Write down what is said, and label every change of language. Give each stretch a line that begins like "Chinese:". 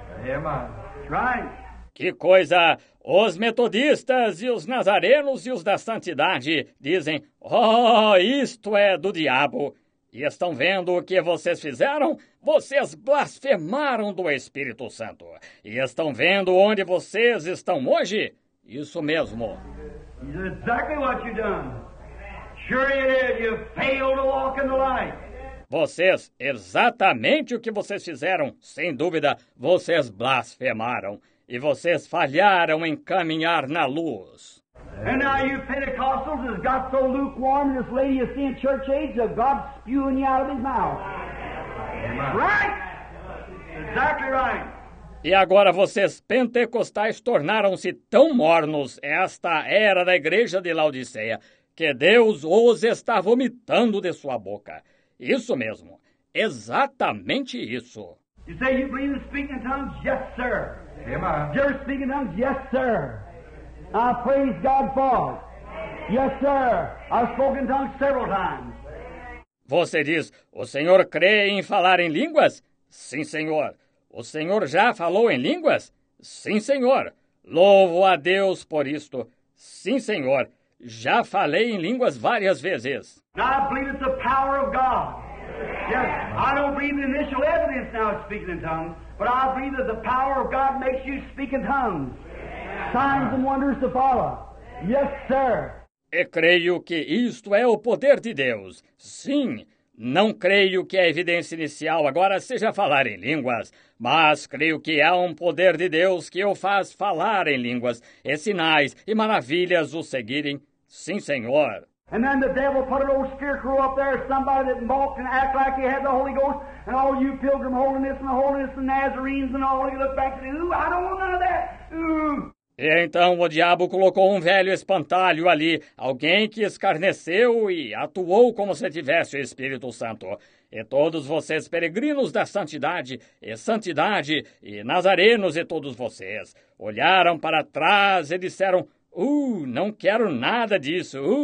English: Yeah, right.
Portuguese: Que coisa! Os metodistas e os nazarenos e os da santidade dizem, oh, isto é do diabo. E estão vendo o que vocês fizeram? Vocês blasfemaram do Espírito Santo. E estão vendo onde vocês estão hoje? Isso mesmo.
English: Exactly what you've done. Sure it is. You failed to walk in the light.
Portuguese: Vocês, exatamente o que vocês fizeram, sem dúvida, vocês blasfemaram. E vocês falharam em caminhar na luz.
English: And now you Pentecostals has got so lukewarm, this lady you see in church age, of God spewing you out of his mouth. Amen. Right? Exactly right.
Portuguese: E agora vocês pentecostais tornaram-se tão mornos, esta era da igreja de Laodiceia, que Deus os está vomitando de sua boca. Isso mesmo. Exatamente isso.
English: You say you believe in speaking tongues? Yes, sir. Amen. You're speaking tongues? Yes, sir. I praise God for it. Yes, sir. I've spoken tongues several times.
Portuguese: Você diz, o senhor crê em falar em línguas? Sim, senhor. O senhor já falou em línguas? Sim, senhor. Louvo a Deus por isto. Sim, senhor. Já falei em línguas várias vezes.
English: Now I believe it's the power of God. Yes, I don't believe the initial evidence now of speaking in tongues, but I believe that the power of God makes you speak in tongues. Signs and wonders to follow. Yes, sir.
Portuguese: E creio que isto é o poder de Deus. Sim, não creio que a evidência inicial agora seja falar em línguas, mas creio que há um poder de Deus que o faz falar em línguas, e sinais e maravilhas o seguirem. Sim, senhor.
English: And then the devil put an old scarecrow up there, somebody that mocked and act like he had the Holy Ghost, and all you pilgrim holiness and the holiness and Nazarenes and all, you look back and say, ooh, I don't want none of that.
Portuguese: E então o diabo colocou um velho espantalho ali, alguém que escarneceu e atuou como se tivesse o Espírito Santo. E todos vocês, peregrinos da santidade, e nazarenos e todos vocês, olharam para trás e disseram, não quero nada disso,